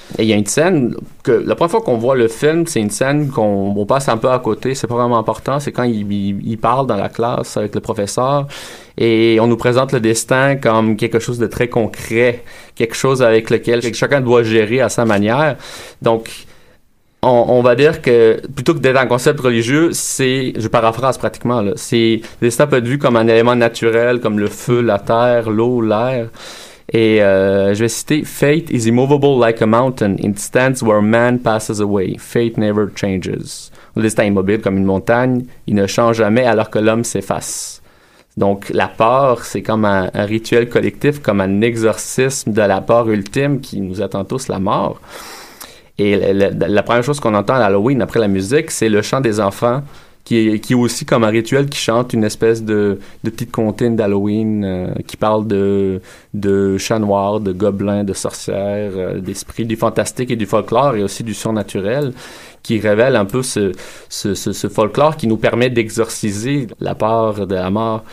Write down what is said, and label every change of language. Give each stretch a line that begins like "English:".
French: Et il y a une scène que, la première fois qu'on voit le film, c'est une scène qu'on passe un peu à côté, c'est pas vraiment important, c'est quand il parle dans la classe avec le professeur, et on nous présente le destin comme quelque chose de très concret, quelque chose avec lequel chacun doit gérer à sa manière. Donc, on va dire que, plutôt que d'être un concept religieux, c'est, je paraphrase pratiquement, là, c'est, le destin peut être vu comme un élément naturel, comme le feu, la terre, l'eau, l'air. Et je vais citer
English: « Fate is immovable like a mountain. It stands where man passes away. Fate never changes.
French: » Le destin est immobile comme une montagne. Il ne change jamais alors que l'homme s'efface. Donc, la peur, c'est comme un rituel collectif, comme un exorcisme de la peur ultime qui nous attend tous, la mort. Et la première chose qu'on entend à Halloween après la musique, c'est le chant des enfants qui est aussi comme un rituel qui chante une espèce de petite comptine d'Halloween qui parle de chats noirs, de gobelins, de sorcières, d'esprits, du fantastique et du folklore et aussi du surnaturel qui révèle un peu ce folklore qui nous permet d'exorciser la peur de la mort.